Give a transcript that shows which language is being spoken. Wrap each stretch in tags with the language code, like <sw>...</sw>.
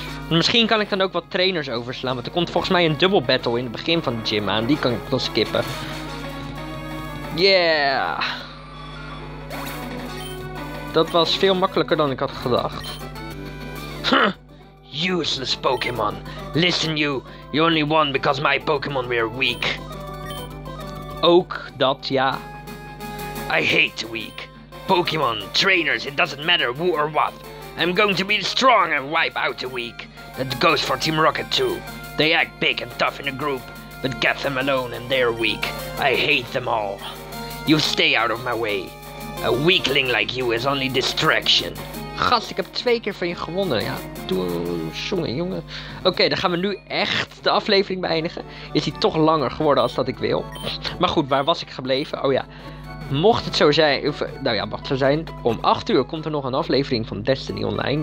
<nl>Misschien kan ik dan ook wat trainers overslaan, want er komt volgens mij een dubbel battle in het begin van de gym aan. Die kan ik dan skippen. Yeah! Dat was veel makkelijker dan ik had gedacht.</nl> <en>Huh. Useless Pokémon. Listen you, you only won because my Pokémon were weak.</en> <nl>Ook dat, ja.</nl> <en>I hate the weak. Pokémon, trainers, it doesn't matter who or what. I'm going to be strong and wipe out the weak. That goes for Team Rocket too. They act big and tough in a group, but get them alone and they're weak. I hate them all. You stay out of my way. A weakling like you is only distraction.</en> <nl>Gast, ik heb 2 keer van je gewonnen. Ja, jongen. Oké, dan gaan we nu echt de aflevering beëindigen. Is die toch langer geworden als dat ik wil? Maar goed, waar was ik gebleven? Oh ja. Mocht het zo zijn, om 8 uur komt er nog een aflevering van Destiny Online.</nl>